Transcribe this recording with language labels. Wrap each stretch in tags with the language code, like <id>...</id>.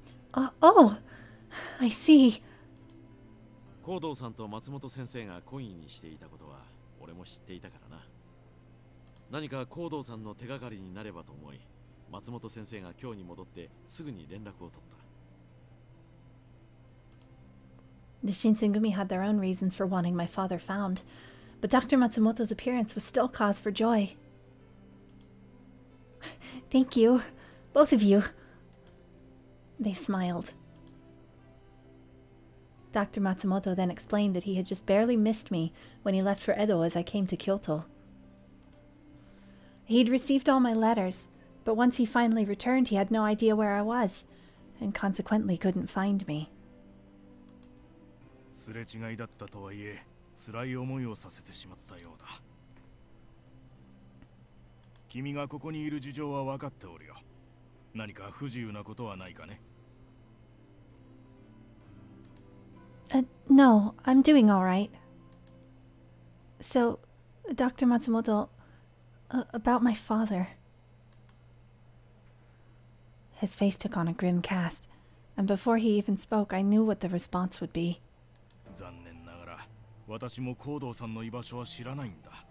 <en>I see.</en> <ja>高堂さんと松本先生が恋にしていたことは俺も知っていたからな。何か高堂さんの手がかりになればと思い、松本先生が今日に戻ってすぐに連絡を取った。</ja> <en>The Shinsengumi had their own reasons for wanting my father found, but Dr. Matsumoto's appearance was still cause for joy. Thank you, both of you. They smiled. Dr. Matsumoto then explained that he had just barely missed me when he left for Edo as I came to Kyoto. He'd received all my letters, but once he finally returned, he had no idea where I was, and consequently couldn't find me.</en> <ja>すれ違いだったとはいえ、辛い思いをさせてしまったようだ。君がここにいる事情は分かっておるよ。何か不自由なことはないかね。</ja> <en>No, I'm doing all right. So, Dr. Matsumoto, about my father. His face took on a grim cast, and before he even spoke, I knew what the response would be.</en> <ja>残念ながら、私も高堂さんの居場所は知らないんだ。</ja>